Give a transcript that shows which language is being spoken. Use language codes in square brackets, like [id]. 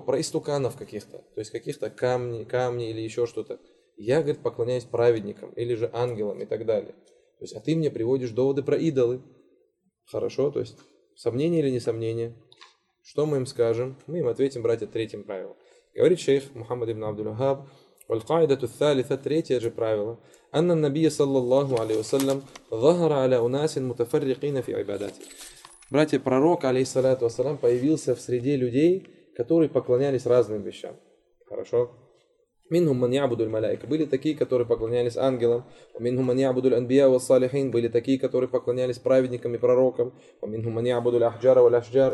[ru] Про истуканов каких-то. То есть, каких-то камни или еще что-то. Я, говорит, поклоняюсь праведникам или же ангелам и так далее. То есть, а ты мне приводишь доводы про идолы. Хорошо, то есть, сомнение или не сомнение? Что мы им скажем? Мы им ответим, братья, третьим правилом. Говорит шейх Мухаммад ибн Абдул-Вахаб. [ar] والقاعدة الثالثة [ru] третье же правило [ar] أن النبي صلى الله عليه وسلم ظهر على أناس متفرقين في عباداته. [ru] Братья, пророк, алейхиссалату вассалям, появился в среде людей, которые поклонялись разным вещам. Хорошо? [ar] Минхум ман ябуду аль-малаика. [ru] Были такие, которые поклонялись ангелам. [ar] Минхум ман ябуду аль-анбия вас-салихин. [ru] Были такие, которые поклонялись праведникам и пророкам. [ar] Минхум ман ябуду аль-ахджара валь-ашджар.